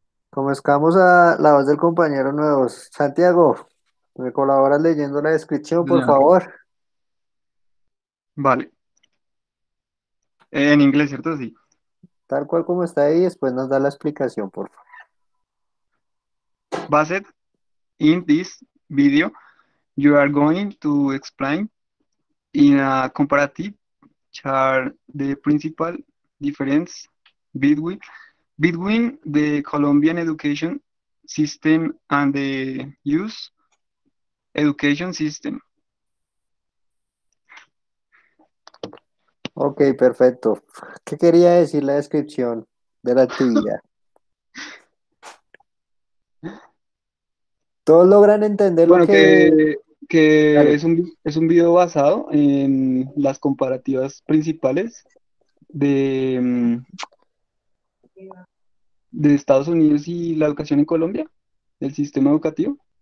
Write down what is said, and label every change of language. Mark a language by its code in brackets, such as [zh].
[es] Comenzamos a la voz del compañero nuevo. Santiago, ¿me colaboras leyendo la descripción, por Claro. favor? Vale. En inglés, ¿cierto? Sí. Tal cual como está ahí, después nos da la explicación, por favor. [en] Based in this video, you are going to explain in a comparative chart the principal difference between the Colombian education system and the US education system. [es] Ok, perfecto. ¿Qué quería decir la descripción de la actividad? ¿Todos logran entender lo Bueno, que...? que Dale. es un video basado en las comparativas principales de Estados Unidos y la educación en Colombia, el sistema educativo.